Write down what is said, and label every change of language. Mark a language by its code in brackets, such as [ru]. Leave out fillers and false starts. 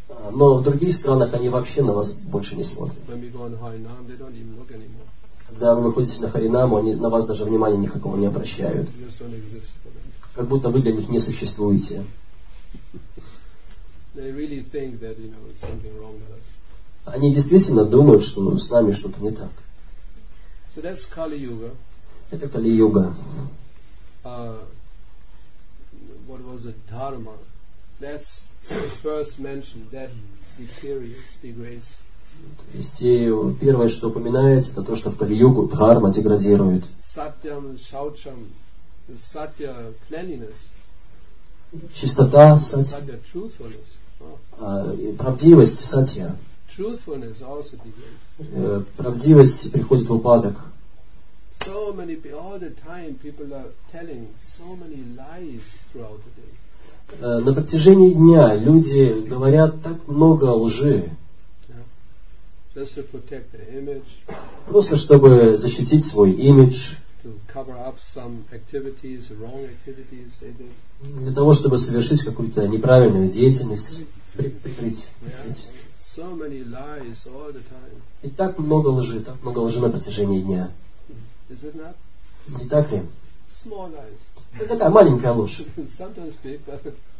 [ru] Но в других странах они вообще на вас больше не смотрят. [en] When we go on Harinam, they don't even look anymore. [ru] Когда вы выходите на Харинаму, они на вас даже внимания никакого не обращают. [en] Just don't exist for them. [ru] Как будто вы для них не существуете. [en] They really think that, you know, something wrong with us. [ru] Они действительно думают, что с нами что-то не так. [en] So that's Kali Yuga. [ru] Это Кали-юга. [en] What was it? Dharma. That's first mentioned, that deteriorates, degrades. [ru] То есть первое, что упоминается, это то, что в Кали-югу дхарма деградирует. [en] Satyam, shaucham, satya, cleanliness. [ru] Чистота, [en] satya, truthfulness. [ru] Правдивость, сатья. [en] Truthfulness also degrades. [ru] Правдивость приходит в упадок. [en] So many all the time people are telling so many lies throughout the day. [ru] На протяжении дня люди говорят так много лжи. [en] Yeah. Just to protect their image. [ru] Просто чтобы защитить свой имидж. [en] To cover up some activities, wrong activities they did. [ru] Для того, чтобы совершить какую-то неправильную деятельность, прикрыть. [en] So many lies all the time. [ru] И так много лжи на протяжении дня. [en] Is it not? [ru] Не так ли? [en] Small eyes. [ru] Это такая маленькая ложь. [en] Sometimes people...